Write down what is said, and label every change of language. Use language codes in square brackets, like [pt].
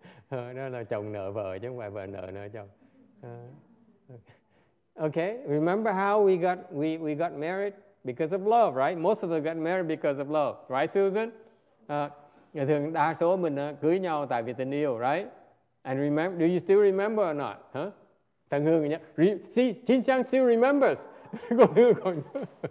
[vi] Đó là chồng nợ vợ chứ không phải vợ nợ nợ chồng. [en] Okay. Remember how we got married because of love, right? Most of us got married because of love, right, Susan? [vi] Thường đa số mình cưới nhau tại vì tình yêu, right? [en] And remember, do you still remember or not? [vi] Huh? Thằng Hương nhá. [en] See, Chin Sang still remembers. [vi] Còn Hương còn nhớ.